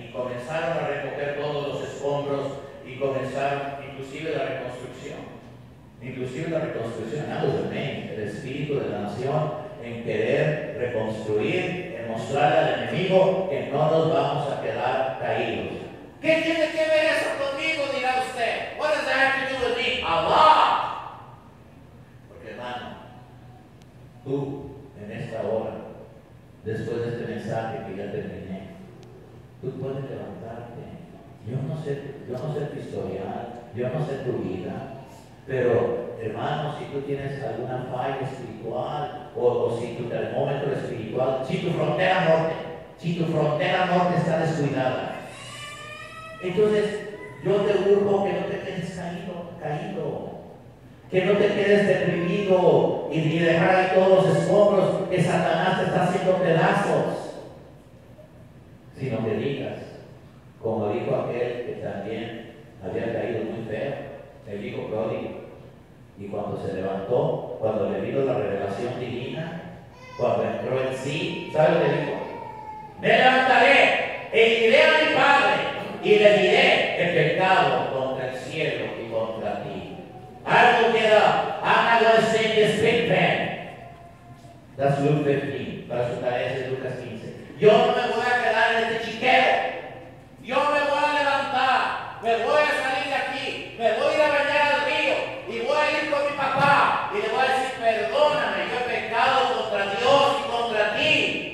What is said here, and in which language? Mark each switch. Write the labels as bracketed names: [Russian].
[Spanish] Y comenzaron a recoger todos los escombros y comenzaron inclusive la reconstrucción, el espíritu de la nación en querer reconstruir, en mostrar al enemigo que no nos vamos a quedar caídos. ¿Qué tiene que ver eso conmigo, dirá usted? [English] What does that have to do with me? A lot. [Spanish] Porque hermano, tú, en esta hora, después de este mensaje que ya terminé, tú puedes levantarte. Yo no sé tu historial, yo no sé tu vida, pero hermano, si tú tienes alguna falla espiritual, o si tu termómetro espiritual, si tu frontera norte está descuidada, entonces yo te urgo que no te quedes caído. Que no te quedes deprimido y dejar ahí todos los escombros que Satanás te está haciendo pedazos, sino que digas, como dijo aquel que también había caído muy feo, el hijo pródigo. Y cuando se levantó, cuando le vino la revelación divina, cuando entró en sí, ¿sabe lo que dijo? Me levantaré e iré a mi padre y le diré el pecado contra el cielo y contra ti. Algo queda, [English] I'm not going to say this big man. That's Luke 15, [Spanish] para su tarea es Lucas 15. Yo no me voy a quedar en este chiquero. Yo me voy a levantar, me voy a salir de aquí, me voy a ir a bañar al río y voy a ir con mi papá y le voy a decir, perdóname, yo he pecado contra Dios y contra ti.